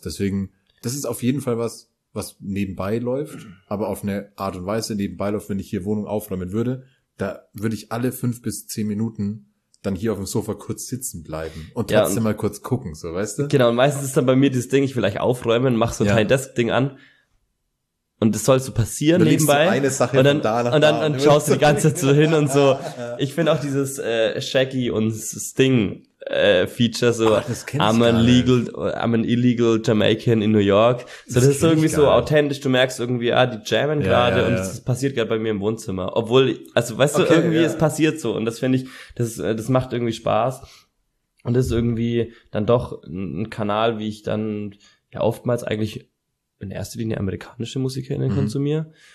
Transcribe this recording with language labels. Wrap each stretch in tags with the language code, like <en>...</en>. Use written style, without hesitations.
<de>Deswegen, das ist auf jeden Fall was nebenbei läuft, aber auf eine Art und Weise nebenbei läuft, wenn ich hier Wohnung aufräumen würde, da würde ich alle 5 bis 10 Minuten dann hier auf dem Sofa kurz sitzen bleiben und trotzdem mal kurz gucken, so, weißt du? Genau, und meistens ist dann bei mir dieses Ding, ich will gleich aufräumen, mach so ein Tiny Desk-Ding an. Und das soll so passieren nebenbei. Eine Sache und dann, und dann schaust du die ganze Zeit so hin und so. Ich finde auch dieses Shaggy und Sting Feature so.</de> <en>I'm an illegal Jamaican in New York.</en> <de>So, das ist irgendwie so authentisch. Du merkst irgendwie, die jammen gerade und das passiert gerade bei mir im Wohnzimmer. Obwohl, also weißt du, irgendwie es passiert so. Und das finde ich, das macht irgendwie Spaß. Und das ist irgendwie dann doch ein Kanal, wie ich dann ja oftmals eigentlich in erster Linie amerikanische MusikerInnen konsumieren.</de>